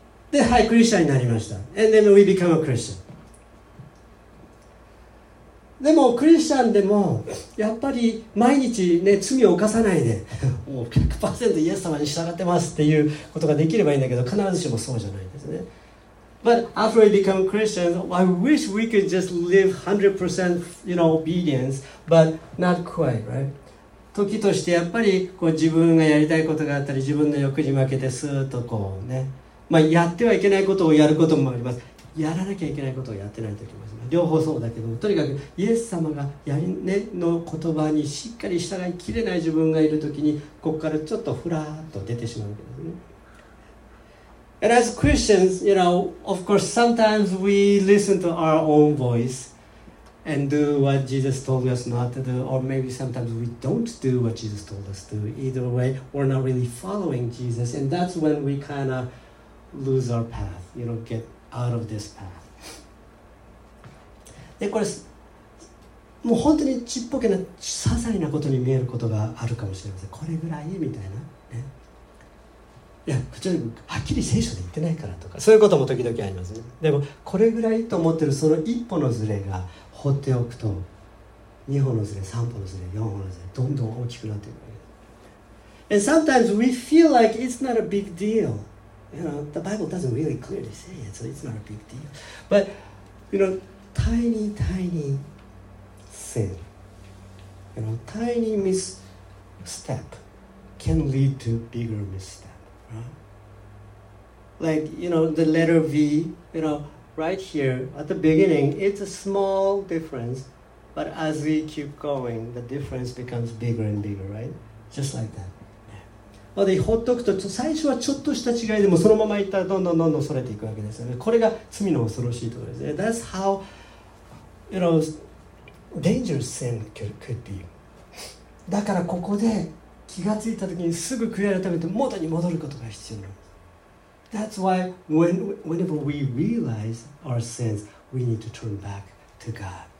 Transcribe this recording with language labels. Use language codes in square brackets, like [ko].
[ja] で、はい、クリスチャンになりました。 [en] And then we become a Christian. [ja] でも、クリスチャンでも、やっぱり毎日ね、罪を犯さないで、もう 100% イエス様に従ってますっていうことができればいいんだけど、必ずしもそうじゃないですね。 [en] But after we become Christians, I wish we could just live 100%, you know, obedience, but not quite, right? [ja] 時としてやっぱりこう自分がやりたいことがあったり、自分の欲に負けてスーッとこうね、まあやってはいけないことをやることもあります。やらなきゃいけないことをやってないといけません。両方そうだけども、とにかくイエス様がやりねの言葉にしっかり従いきれない自分がいるときに、ここからちょっとフラーっと出てしまうわけですね。 [en] And as Christians, you know, of course, sometimes we listen to our own voice and do what Jesus told us not to do, or maybe sometimes we don't do what Jesus told us to do. Either way, we're not really following Jesus, and that's when we kind of lose our path, you know, get out of this path. [ja] で、これ、もう本当にちっぽけな、些細なことに見えることがあるかもしれません。これぐらいみたいな。いや、こちらはっきり聖書で言ってないからとか、そういうことも時々ありますね。でもこれぐらいと思ってるその一歩のズレが放っておくと、二歩のズレ、三歩のズレ、四歩のズレ、どんどん大きくなっていくわけです。 [en] And sometimes we feel like it's not a big deal. You know, the Bible doesn't really clearly say it, so it's not a big deal. But, you know, tiny, tiny sin, you know, tiny misstep can lead to bigger misstep. Like, you know, the letter V, you know, right here at the beginning, it's a small difference, but as we keep going, the difference becomes bigger and bigger, right? Just like that. [ja] なので、放っておくと、最初はちょっとした違いでも、そのままいったらどんどんどんどんそれていくわけですよね。これが罪の恐ろしいところですね。 [en] That's how, you know, dangerous sin could be. [ja] だからここで気がついたときにすぐ悔い改めて元に戻ることが必要なんです。 [en] That's why whenever we realize our sins, we need to turn back to God.